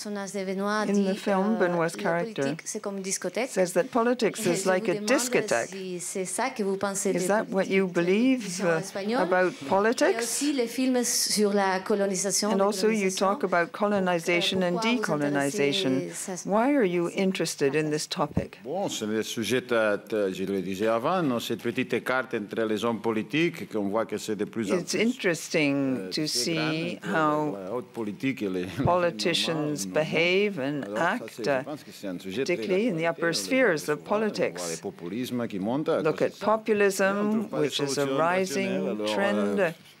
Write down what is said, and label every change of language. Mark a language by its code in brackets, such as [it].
[en] In the film, Benoît's character says that politics is like a discotheque. Is that what you believe about politics? And also you talk about colonization and decolonization. Why are you interested in this topic? [fr] Bon, c'est le sujet que je le disais avant, cette petite écarte entre les hommes politiques qu'on voit que c'est de plus en plus. [en] It's interesting to see how politicians behave and act, particularly in the upper spheres of politics. Look at populism, which is a rising trend.